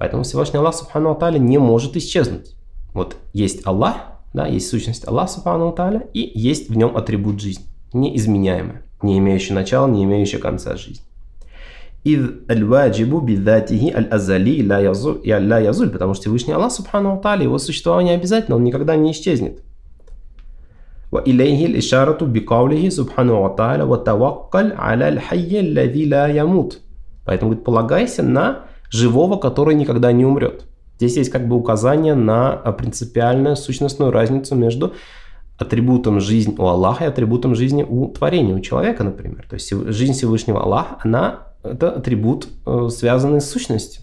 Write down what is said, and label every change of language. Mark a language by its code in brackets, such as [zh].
[ru] Поэтому Всевышний Аллах, Субхану ва Тааля, не может исчезнуть. Вот есть Аллах, да, есть сущность Аллах, Субхану ва Тааля, и есть в нем атрибут жизни, неизменяемая, не имеющая начала, не имеющая конца жизни. [ar] إذ الواجب بذاته الأزلي لا يزول, [ru] потому что Всевышний Аллах Субхану ва Тааля, его существование обязательно, он никогда не исчезнет. [ar] وإليه الإشارة بقوله سبحانه وتعالى وتوكل على الحي الذي لا يموت. [ru] Поэтому говорит, полагайся на живого, который никогда не умрет. Здесь есть как бы указание на принципиальную сущностную разницу между атрибутом жизни у Аллаха и атрибутом жизни у творения, у человека, например. То есть жизнь Всевышнего Аллаха, она это атрибут, связанный с сущностью.